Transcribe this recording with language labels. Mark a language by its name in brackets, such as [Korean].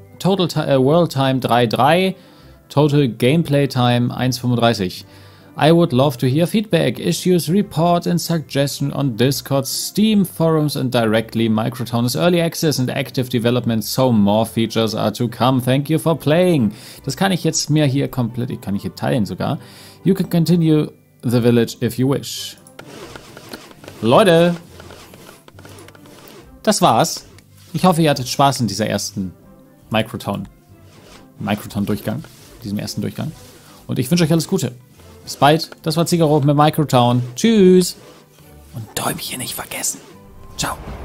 [English] Total world time 3:3. Total gameplay time 1:35. I would love to hear feedback, issues, report and suggestion on Discord, Steam forums and directly Microtown is early access and active development, so more features are to come. Thank you for playing. [German] Das kann ich jetzt mehr hier komplett, kann ich hier teilen sogar. [English] You can continue the village if you wish. [German] Leute, das war's. Ich hoffe, ihr hattet Spaß in dieser ersten Microtown-Durchgang, diesem ersten Durchgang. Und ich wünsche euch alles Gute. Bis bald. Das war Zigarro mit Microtown. Tschüss. Und Däumchen nicht vergessen. Ciao.